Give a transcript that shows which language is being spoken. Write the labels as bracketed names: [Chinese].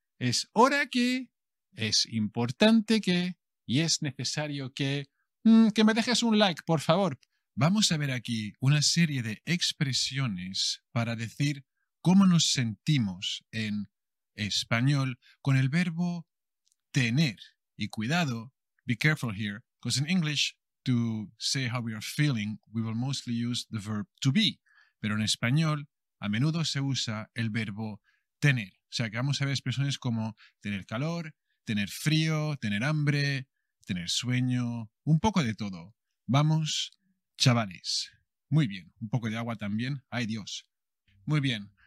[Spanish] Es hora que, es importante que, y es necesario que me dejes un like, por favor. Vamos a ver aquí una serie de expresiones para decir cómo nos sentimos en español con el verbo tener. Y cuidado, [English] be careful here, because in English, to say how we are feeling, we will mostly use the verb to be. [Spanish] Pero en español, a menudo se usa el verbo tener. O sea, que vamos a ver expresiones como tener calor, tener frío, tener hambre, tener sueño, un poco de todo. Vamos, chavales. Muy bien. Un poco de agua también. ¡Ay, Dios! Muy bien.